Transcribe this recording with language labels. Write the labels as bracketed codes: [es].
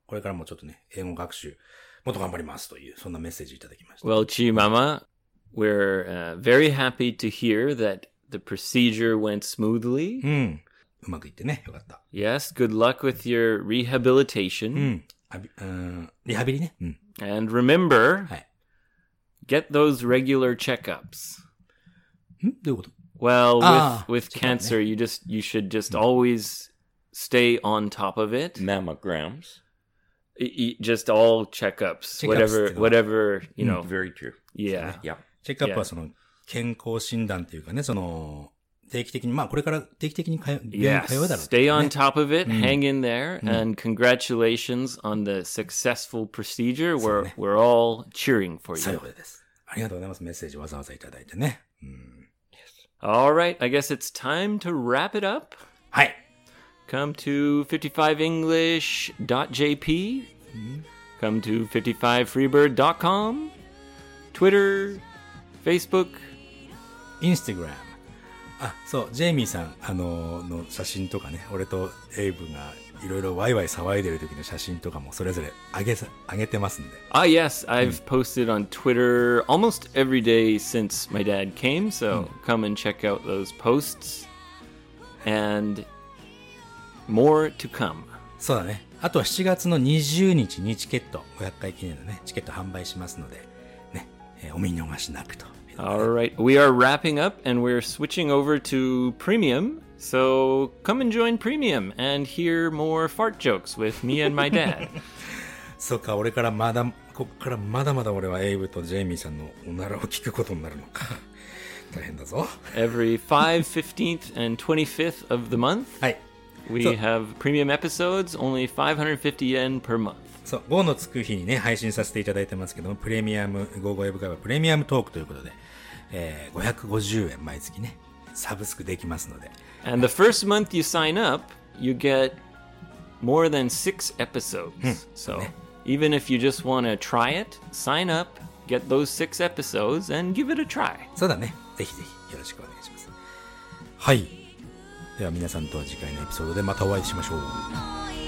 [ja] これからもちょっとね、英語学習、もっと頑張りますという、そんなメッセージいただきました。 [en] Well, Chi Mama, we're very happy to hear that the procedure went smoothly. [ja] うん。うまくいってね、よかった。 [en] Yes, good luck with your rehabilitation. [ja] うん。リハビリね。うん。 [en] And remember,、 [ja] はい、 [en] get those regular checkups. [ja] ん？どういうこと？ [en] Well, with cancer,、ね、you should just always stay on top of it. Mammograms. Just all checkups. Whatever, you know.、うん、very true. Yeah. Yeah. [ja] チェックアップはその健康診断っていうかね、その、定期的に、まあこれから定期的に通うだろう、ね。 [en] Stay on top of it,、うん、hang in there,、うん、and congratulations on the successful procedure. We're all cheering for you. [ja] そういうことです。ありがとうございます。メッセージわざわざいただいてね。うん、 [en] yes. All right. I guess it's time to wrap it up. [ja] はい。 [en] Come to 55english.jp.、うん、Come to 55freebird.com. Twitter, Facebook, Instagram. [ja] あ、そう、ジェイミーさん、の写真とかね、俺とエイブがいろいろワイワイ騒いでる時の写真とかもそれぞれ上げてますんで。 [en] Ah, yes, I've posted on Twitter almost every day since my dad came, so come and check out those posts. And more to come. [ja] そうだね。あとは7月の20日にチケット、500回記念のね、チケット販売しますので、ね、お見逃しなくと。 [en] All right, we are wrapping up and we're switching over to premium. So come and join premium and hear more fart jokes with me and my dad. [ja] そうか、俺からまだ、こっからまだまだ俺はエイブとジェイミーさんのおならを聞くことになるのか。大変だぞ。 [en] Every 5th, 15th and 25th of the month, [ja] はい、 [en] we have premium episodes, only 550 yen per month. [ja] そう、5のつく日にね、配信させていただいてますけども、プレミアム、ゴーゴーエブ会はプレミアムトークということで、550円毎月ね、サブスクできますので。 [en] And the first month you sign up, you get more than 6 episodes.、 [ja] うん、 [en] so,、ね、even if you just want to try it, sign up, get those 6 episodes and give it a try. [ja] そうだね。ぜひぜひよろしくお願いします。はい。では皆さんとは次回のエピソードでまたお会いしましょう。